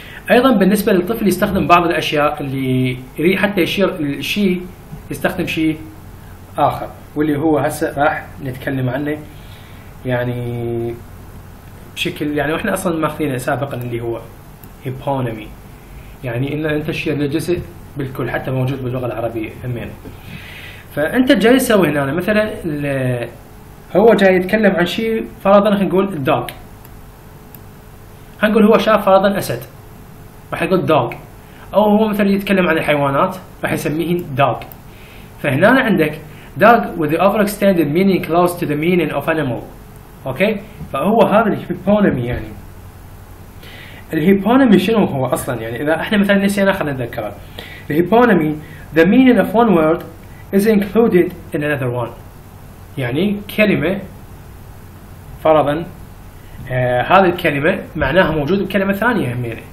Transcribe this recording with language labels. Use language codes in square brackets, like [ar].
[ar] ايضا بالنسبه للطفل يستخدم بعض الاشياء اللي يريد حتى يشير الشيء يستخدم شيء اخر واللي هو هسه راح نتكلم عنه يعني بشكل يعني واحنا اصلا ماخذينه سابقا اللي هو هيبونيمي يعني ان انت تشير لجزء بالكل حتى موجود باللغه العربيه همين. فانت جاي تسوي هنا مثلا هو جاي يتكلم عن شيء فرضا نقول الدوغ هنقول هو شاف فرضا اسد راح يقول dog أو هو مثلا يتكلم عن الحيوانات راح يسميهن dog. فهنا عندك [en] dog with the overextended meaning close to the meaning of animal. [ar] أوكي فهو هذا الهيبونيمي. يعني الهيبونيمي شنو هو أصلا يعني إذا إحنا مثلا نسينا خلنا نذكره. [en] الهيبونيمي the meaning of one word is included in another one. [ar] يعني كلمة فرضا هذه الكلمة معناها موجود بكلمة ثانية همينة.